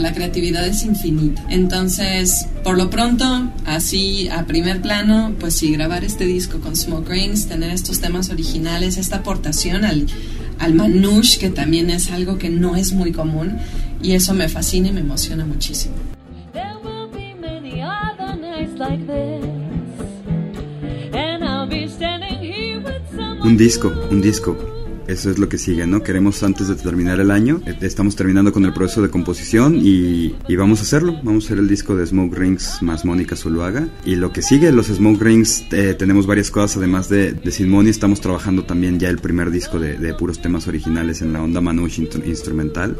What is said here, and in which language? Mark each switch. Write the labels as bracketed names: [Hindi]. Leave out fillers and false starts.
[Spanish] La creatividad es infinita. Entonces, por lo pronto, así a primer plano, pues sí, grabar este disco con Smoke Rings, tener estos temas originales, esta aportación al manouche, que también es algo que no es muy común, y eso me fascina y me emociona muchísimo. [English] There will be many other nights like this, and I'll be standing here with someone. [Spanish] Un disco. Eso es lo que sigue, ¿no? Queremos, antes de terminar el año, estamos terminando con el proceso de composición y vamos a hacerlo. Vamos a hacer el disco de Smoke Rings más Mónica Zuluaga. Y lo que sigue, los Smoke Rings, tenemos varias cosas, además de Sin Moni. Estamos trabajando también ya el primer disco de puros temas originales en la onda manouche instrumental.